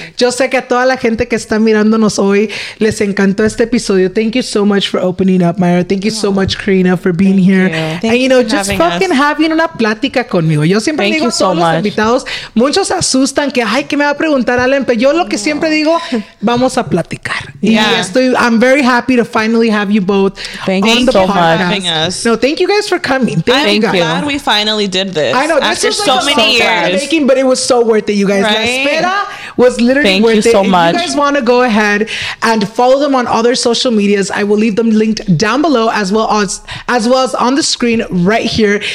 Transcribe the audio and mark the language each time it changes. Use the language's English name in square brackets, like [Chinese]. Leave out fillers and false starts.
[Spanish] Yo sé que a toda la gente que está mirándonos hoy les encantó este episodio. [English] Thank you so much for opening up, Myra. Thank you so much, Karina, for being here. And, you know, just fucking having [Spanish] una plática conmigo. Yo siempre digo a todos los invitados, muchos asustan que, ay, ¿qué me va a preguntar Alan? Pero yo lo que siempre digo, vamos a platicar. [English] I'm very happy to finally have you both thank you so much for having us. No, thank you guys for coming. I'm glad we finally did this. I know. After this is so like many years. Making, but it was so worth it, you guys. Right? [Spanish] La Espera [English] was literally thank worth you it. So much. If you guys want to go ahead and follow them on other social medias, I will leave them linked down below as well as on the screen right here.